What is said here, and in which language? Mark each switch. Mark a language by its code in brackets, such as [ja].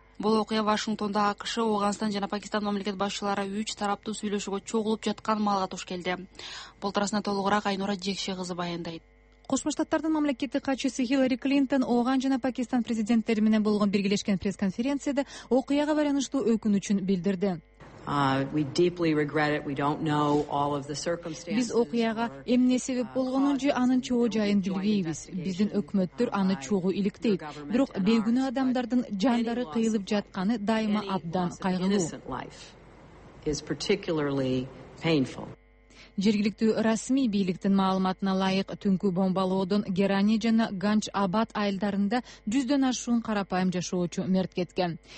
[ky] Бул окуя Вашингтондо АКШ, Ауганстан жана Пакистан мамлекет башчылары 3 тараптуу сүйлөшүүгө чогулуп жаткан маалга туш келди. Бул туурасында толугураак Айнура Жекше кызы баяндайт. Кошмо Штаттардын мамлекеттик катчысы Хиллари Клинтон Ооган жана Пакистан президенттери менен болгон биргелешкен пресс-конференцияда окуяга байланыштуу өкүнүчүн билдирди. [en] We deeply regret it. We don't know all of the circumstances. [ky] Биз окуяга эмне себеп болгонун же анын чоо жайын билбейбиз. Биздин өкмөттөр аны чогуу иликтейт. Бирок бейгүнөө адамдардын жандары кыйылып жатканы дайыма абдан кайгылуу. Жергиликтүү расмий бийликтин маалыматына ылайык, түнкү бомбалоодон Герани жана Ганч Абад айылдарында 100 ашуун карапайым жашоочу мерт кеткен.